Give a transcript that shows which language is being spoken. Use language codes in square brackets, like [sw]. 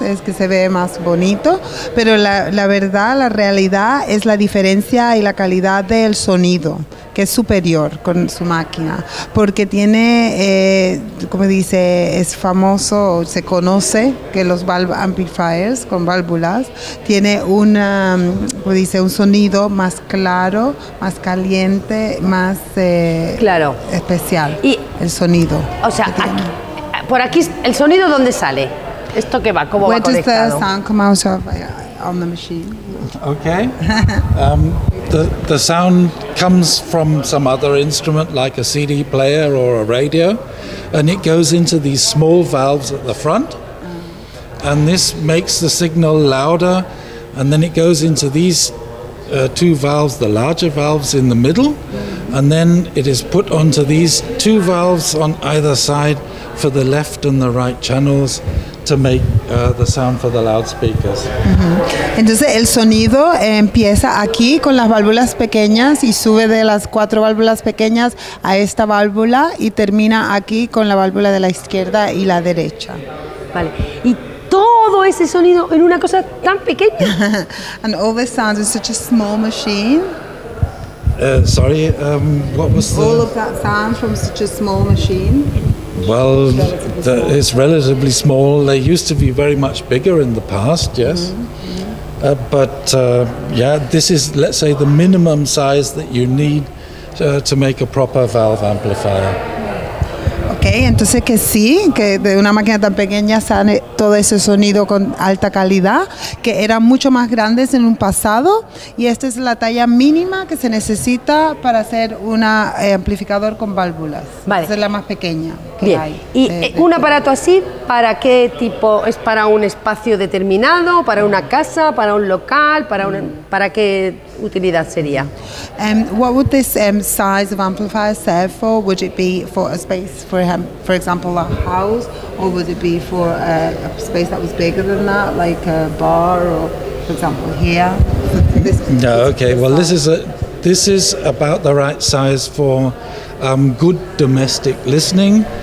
[es] Es que se ve más bonito. Pero la verdad, la realidad es la diferencia y la calidad del sonido, que es superior con su máquina, porque tiene, como dice, es famoso, se conoce que los valve amplifiers con válvulas tiene una, como dice, un sonido más claro, más caliente, más claro, especial, y el sonido. O sea, aquí, por aquí, ¿el sonido dónde sale? ¿Esto qué va? ¿Cómo [en] Where [es] va conectado? [en] Where does the sound come out of on the machine? Okay. The sound comes from some other instrument like a CD player or a radio, and it goes into these small valves at the front, and this makes the signal louder, and then it goes into these two valves, the larger valves in the middle, and then it is put onto these two valves on either side for the left and the right channels to make the sound for the loudspeakers. Mm-hmm. [es] Entonces el sonido empieza aquí con las válvulas pequeñas y sube de las cuatro válvulas pequeñas a esta válvula y termina aquí con la válvula de la izquierda y la derecha. Vale. Y todo ese sonido en una cosa tan pequeña. [en] And all the sounds in such a small machine. Sorry, what was the... All of that sound from such a small machine. Well, it's relatively small. They used to be very much bigger in the past, yes. Mm-hmm. This is, let's say, the minimum size that you need to make a proper valve amplifier. Ok, [es] Okay, entonces que sí, que de una máquina tan pequeña sale todo ese sonido con alta calidad, que eran mucho más grandes en un pasado, y esta es la talla mínima que se necesita para hacer un amplificador con válvulas. Vale. Esa es la más pequeña que bien. Hay. ¿Y un aparato así, para qué tipo? ¿Es para un espacio determinado, para una casa, para un local, para qué utilidad sería? [en] What would this size of amplifier serve for? Would it be for a space, for example, a house, or would it be for a space that was bigger than that, like a bar, or for example, here? This is about the right size for good domestic listening.